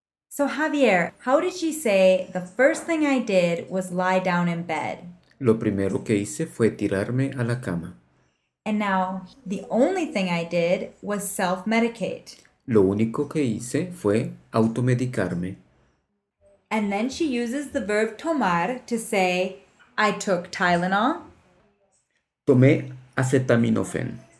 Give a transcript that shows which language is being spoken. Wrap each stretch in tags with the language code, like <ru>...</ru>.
<en>So, Javier, how did she say the first thing I did was lie down in bed?</en> <es>Lo primero que hice fue tirarme a la cama.</es> <en>And now, the only thing I did was self-medicate.</en> <es>Lo único que hice fue automedicarme.</es> <en>And then she uses the verb tomar to say, I took Tylenol.</en> <es>Tomé acetaminofén.</es>